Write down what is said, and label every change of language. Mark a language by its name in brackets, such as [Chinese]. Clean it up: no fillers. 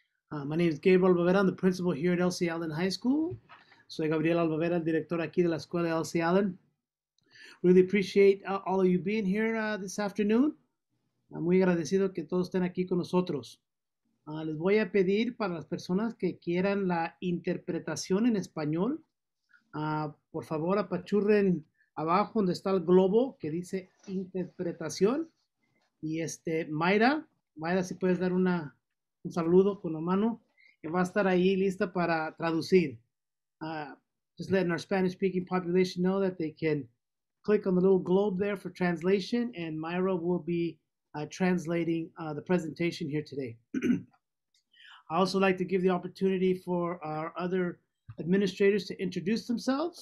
[English] My name is Gabriel Albavera. I'm the principal here at Elsie Allen High School. [Spanish] Soy Gabriel Albavera, el director aquí de la escuela Elsie Allen. [English] Really appreciate all of you being here this afternoon. [Spanish] Muy agradecido que todos estén aquí con nosotros. Les voy a pedir para las personas que quieran la interpretación en español, por favor apachurren abajo donde está el globo que dice interpretación. Y este, Mayra, si puedes dar un saludo con la mano, que va a estar ahí lista para traducir. [English] Just letting our Spanish-speaking population know that they can click on the little globe there for translation, and Mayra will be translating the presentation here today. I also like to give the opportunity for our other administrators to introduce themselves.